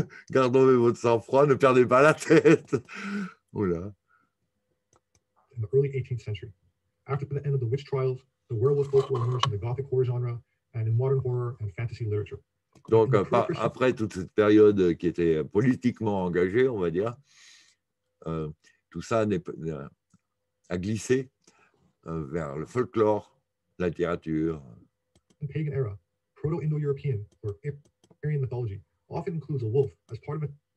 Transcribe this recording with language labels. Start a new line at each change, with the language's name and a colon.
French: Gardons votre sang-froid, ne perdez pas la tête. Oula.
English: In the early 18th century, after the end of the witch trials, the werewolf folklore emerged in the gothic horror genre and in modern horror and fantasy literature.
French: Donc, après toute cette période qui était politiquement engagée, on va dire, tout ça a glissé vers le folklore, la littérature.
English: In pagan era, proto-Indo-European or Aryan mythology often includes a wolf as part of it.